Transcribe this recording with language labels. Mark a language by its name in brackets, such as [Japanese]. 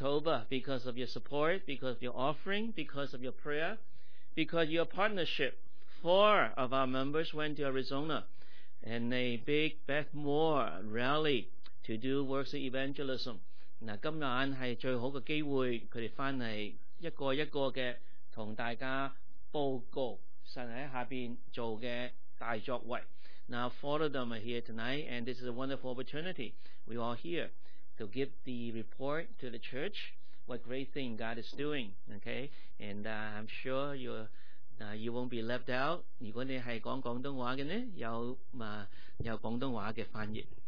[English] Toba, because of your support, because of your offering, because of your prayer, because of your partnership. Four of our members went to Arizona and a big Beth Moore rally to do works of evangelism. [Chinese] 今晚是最好的机会，他们回来一个一个的跟大家报告神在下面做的大作为。 [English] Now four of them are here tonight, and this is a wonderful opportunity. We are all here to give the report to the church, what great thing God is doing, okay? And I'm sure you won't be left out. [Chinese] 如果你是讲广东话的呢，有广东话的翻译。